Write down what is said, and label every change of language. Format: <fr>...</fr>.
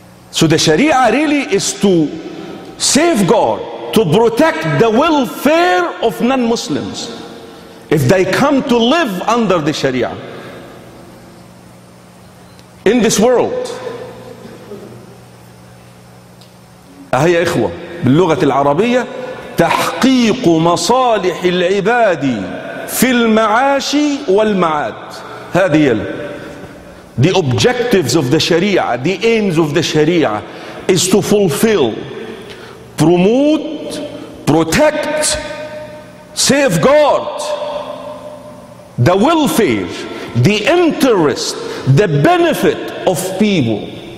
<en>So the Sharia really is to safeguard, to protect the welfare of non-Muslims if they come to live under the Sharia in this world.</en> <ar>أهي إخوة باللغة العربية تحقيق مصالح العباد في المعاش والمعاد. هذه يلا</ar> <en>the objectives of the Sharia, the aims of the Sharia is to fulfill, promote, protect, safeguard the welfare, the interest, the benefit of people.</en>